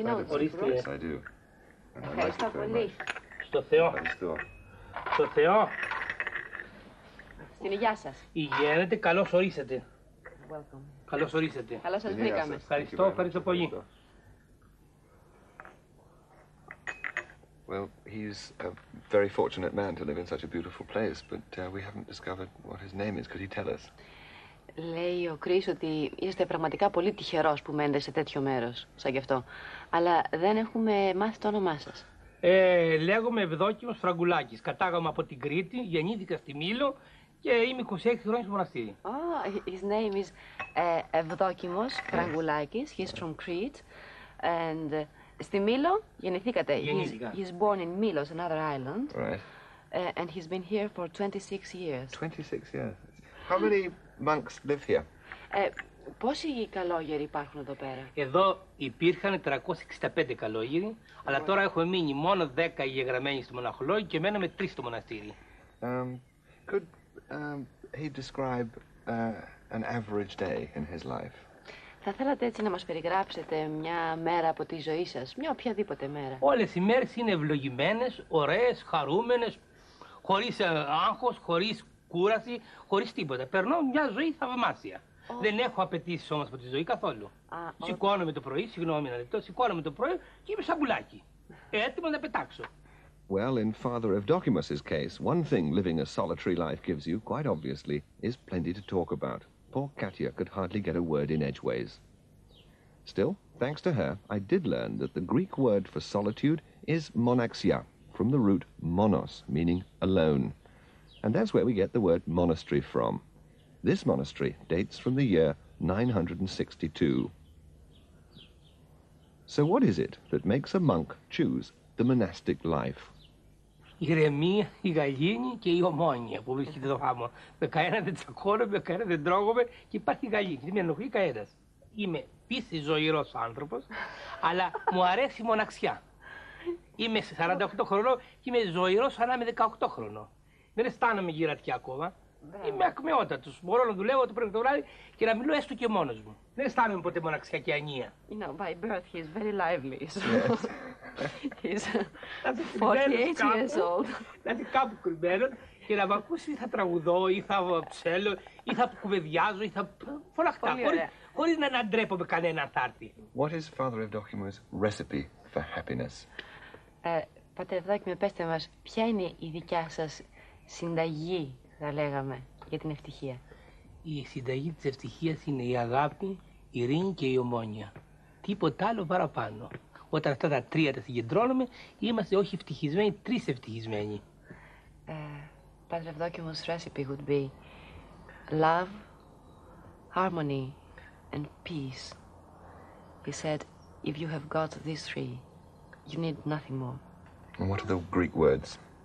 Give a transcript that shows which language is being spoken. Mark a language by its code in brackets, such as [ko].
[el] Ορίστε. Ευχαριστώ πολύ. Στο Θεό. Ευχαριστώ. Στο Θεό. Στην υγειά σας. Υγιέρετε, καλώς ορίσατε. Καλώς ορίσατε. Καλώς σας βρήκαμε. Ευχαριστώ, ευχαριστώ πολύ. [en] Well, he's a very fortunate man to live in such a beautiful place, but we haven't discovered what his name is. Could he tell us? [el] Λέει ο Κρίς ότι είστε πραγματικά πολύ τυχερός που μένετε σε τέτοιο μέρος, σαν κι αυτό. Αλλά δεν έχουμε μάθει το όνομά σας. Λέγομαι Ευδόκιμος Φραγκουλάκης. Κατάγομαι από την Κρήτη, γεννήθηκα στη Μήλο και είμαι 26 χρόνια στο μοναστήρι. [en] Oh, his name is Ευδόκιμος Φραγκουλάκης. He's from Crete. And... [el] Στη Μήλο, γεννηθήκατε. [en] He's born in Milos, another island. Right. And he's been here for 26 years. 26 years. How many monks live here? [el] Πόσοι καλόγεροι υπάρχουν εδώ πέρα? Εδώ υπήρχαν 365 καλόγεροι, αλλά τώρα έχω μείνει μόνο 10 γεγραμμένοι στο μοναχολόγιο και μένω με 3 στο μοναστήρι. [en] Could he describe an average day in his life? [el] Θα θέλατε έτσι να μας περιγράψετε μια μέρα από τη ζωή σας, μια οποιαδήποτε μέρα. Όλες οι μέρες είναι ευλογημένες, ωραίες, χαρούμενες, χωρίς άγχος, χωρίς κούραση, χωρίς τίποτα. Περνώ μια ζωή θαυμάσια. Oh. Δεν έχω απαιτήσεις όμως από τη ζωή καθόλου. Σηκώνομαι το πρωί, συγγνώμη να λεπτό, σηκώνομαι το πρωί και είμαι σαν μπουλάκι. Έτοιμο να πετάξω. [en] Well, in Father Evdokimos' case, one thing living a solitary life gives you, quite obviously, is plenty to talk about. Poor Katia could hardly get a word in edgeways. Still, thanks to her, I did learn that the Greek word for solitude is monaxia, from the root monos, meaning alone. And that's where we get the word monastery from. This monastery dates from the year 962. So what is it that makes a monk choose the monastic life? [el] Ηρεμία, η γαλήνη και η ομόνια που βρίσκεται το φάμο. Με κανένα δεν τσακώνομαι, με κανένα δεν τρώγομαι και υπάρχει γαλήνη. Δεν με ενοχλεί κανένας. Είμαι επίσης ζωηρός άνθρωπος, αλλά μου αρέσει η μοναξιά. Είμαι 48 χρονών και είμαι ζωηρός σαν να είμαι 18 χρονών. Δεν αισθάνομαι γυρατιά ακόμα. Είμαι ακμεότατος. Μπορώ να δουλεύω το πρωί το βράδυ και να μιλώ έστω και μόνος μου. Δεν αισθάνομαι ποτέ μοναξιά και ανία. [en] You know, by birth he is very lively. So. He's 48 years old. [el] Δηλαδή κάπου κρυμμένο και να μ' ακούσει ή θα τραγουδώ ή θα ψέλω ή θα κουβεντιάζω ή θα φωναχτά. Χωρίς να ντρέπομαι κανέναν θάρτη. [en] What is Father Evdokimos' recipe for happiness? [el] Πατέρ Ευδόκιμε, πέστε μας, ποια είναι η δικιά σας συνταγή, θα λέγαμε, για την ευτυχία? Η συνταγή της ευτυχίας είναι η αγάπη, η ειρήνη και η ομόνοια. Τίποτα άλλο παραπάνω. Όταν αυτά τα τρία τα συγκεντρώνουμε, είμαστε όχι ευτυχισμένοι, τρεις ευτυχισμένοι. [en] Πατέρ Ευδόκιμος' recipe would be love, harmony and peace. He said, if you have got these three, you need nothing more. And what are the Greek words?